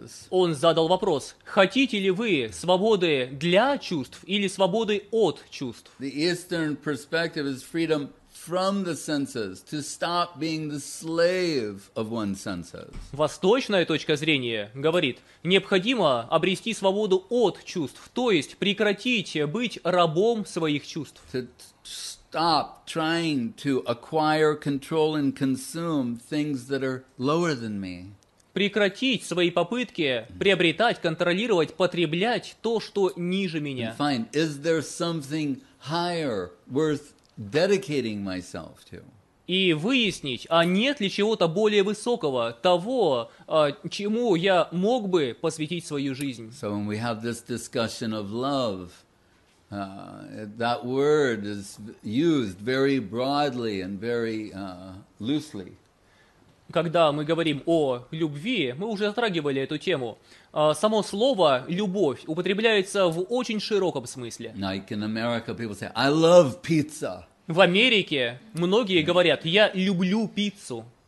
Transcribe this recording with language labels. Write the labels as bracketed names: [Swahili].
[Russian] Он задал вопрос, хотите ли вы свободы для чувств или свободы от чувств? [English] The Eastern perspective is freedom from the senses, to stop being the slave of one's senses. [Russian] Восточная точка зрения говорит, необходимо обрести свободу от чувств, то есть прекратить быть рабом своих чувств. [English] To stop trying to acquire, control and consume things that are lower than me. [Russian] Прекратить свои попытки приобретать, контролировать, потреблять то, что ниже меня. [English] And find, is there something higher worth dedicating myself to. [Russian] И выяснить, а нет ли чего-то более высокого, того, чему я мог бы посвятить свою жизнь. [English] So when we have this discussion of love, that word is used very broadly and very loosely. [Russian] Когда мы говорим о любви, мы уже затрагивали эту тему. Само слово «любовь» употребляется в очень широком смысле. [English] Like in America, people say, I love pizza. [Russian] В Америке многие говорят, я люблю пиццу.